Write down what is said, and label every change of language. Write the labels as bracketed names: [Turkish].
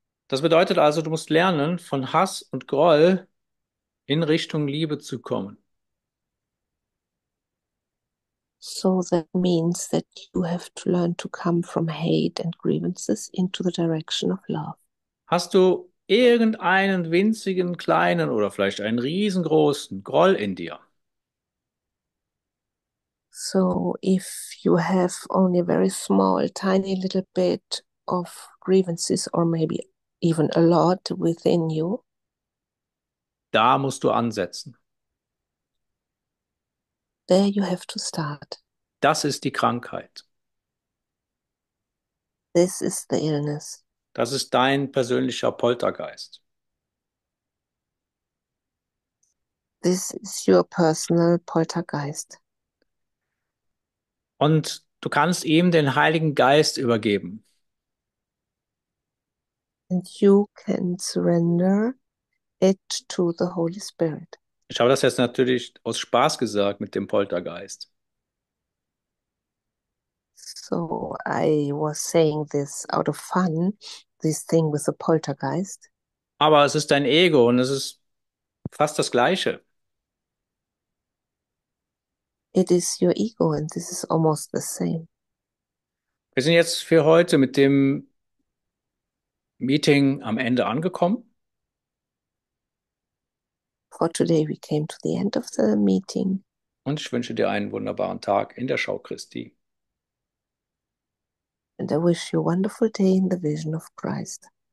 [German] Das bedeutet also, du musst lernen, von Hass und Groll in Richtung Liebe zu kommen. [English] So that means that you have to learn to come from hate and grievances into the direction of love. [German] Hast du irgendeinen winzigen, kleinen oder vielleicht einen riesengroßen Groll in dir? [English] So if you have only a very small, tiny little bit of grievances or maybe even a lot within you. [German] Da musst du ansetzen. [English] There you have to start. [German] Das ist die Krankheit. [English] This is the illness. [German] Das ist dein persönlicher Poltergeist. [English] This is your personal Poltergeist. [German] Und du kannst ihm den Heiligen Geist übergeben. [English] And you can surrender it to the Holy Spirit. [German] Ich habe das jetzt natürlich aus Spaß gesagt mit dem Poltergeist. [English] So I was saying this out of fun, this thing with the Poltergeist. [German] Aber es ist dein Ego und es ist fast das Gleiche. [English] It is your ego and this is almost the same. [German] Wir sind jetzt für heute mit dem Meeting am Ende angekommen. [English] For today we came to the end of the meeting. [German] Und ich wünsche dir einen wunderbaren Tag in der Schau Christi. [English] And I wish you a wonderful day in the vision of Christ.